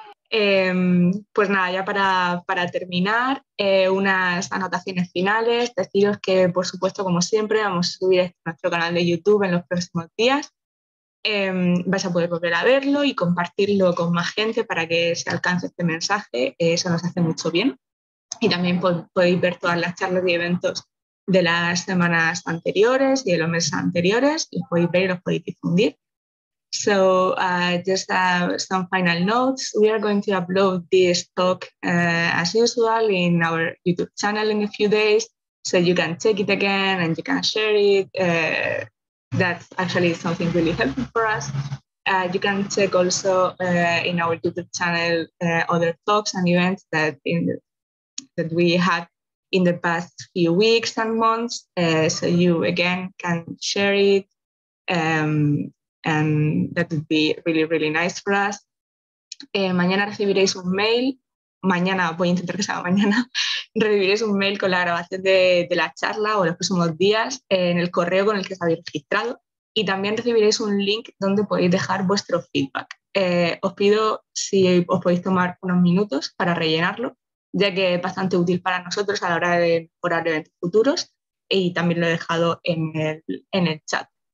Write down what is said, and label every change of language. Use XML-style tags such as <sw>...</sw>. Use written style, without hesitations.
<es>Pues nada, ya para terminar, unas anotaciones finales, deciros que por supuesto como siempre vamos a subir a nuestro canal de YouTube en los próximos días, vais a poder volver a verlo y compartirlo con más gente para que se alcance este mensaje, eso nos hace mucho bien y también podéis ver todas las charlas y eventos de las semanas anteriores y de los meses anteriores, los podéis ver y los podéis difundir.</es> <en>So just some final notes. We are going to upload this talk as usual in our YouTube channel in a few days, so you can take it again and you can share it. That actually is something really helpful for us. You can check also in our YouTube channel other talks and events that that we had in the past few weeks and months. So you again can share it, and that would be really, really nice for us.</en> <es>Mañana recibiréis un mail. Mañana, voy a intentar que sea mañana, recibiréis un mail con la grabación de la charla o los próximos días en el correo con el que os habéis registrado, y también recibiréis un link donde podéis dejar vuestro feedback. Os pido si os podéis tomar unos minutos para rellenarlo, ya que es bastante útil para nosotros a la hora de mejorar eventos futuros, y también lo he dejado en el chat.</es>